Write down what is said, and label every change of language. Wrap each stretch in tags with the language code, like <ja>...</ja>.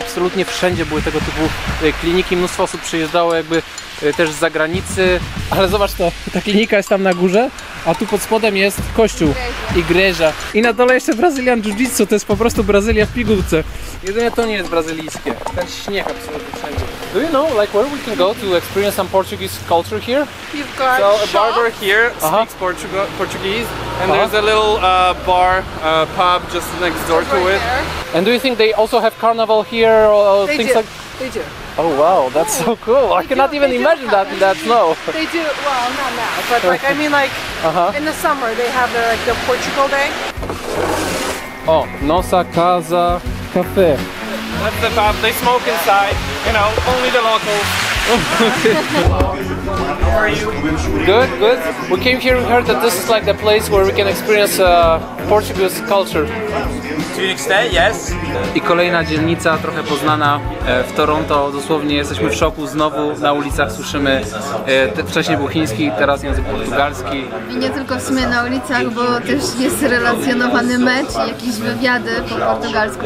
<pl>absolutnie wszędzie były tego typu kliniki. Mnóstwo osób przyjeżdżało jakby też z zagranicy. Ale zobacz to, ta klinika jest tam na górze, a tu pod spodem jest kościół i greża. I na dole jeszcze Brazylian Jiu-Jitsu, to jest po prostu Brazylia w pigułce. Jedynie to nie jest brazylijskie, ten śnieg absolutnie wszędzie.</pl> <en>Do you know like where we can go to experience some Portuguese culture here? You've got so a barber here speaks Portuguese and there's a little bar pub just next door to it. And do you think they also have carnival here or things like they do. Oh wow, that's so cool. I cannot even imagine that in that snow. They do, well not now, but like I mean like in the summer they have their like the Portugal Day. Oh, Nossa Casa Café. That's the pub, they smoke inside. You know, only the locals. How are you? Good, good. We came here, we heard that this is like the place where we can experience Portuguese culture. To an extent, yes.</en> <pl>I kolejna dzielnica, trochę poznana w Toronto. Dosłownie jesteśmy w szoku, znowu na ulicach słyszymy. Wcześniej był chiński, teraz język portugalski. I nie tylko w sumie na ulicach, bo też jest relacjonowany mecz i jakieś wywiady po portugalsku.</pl>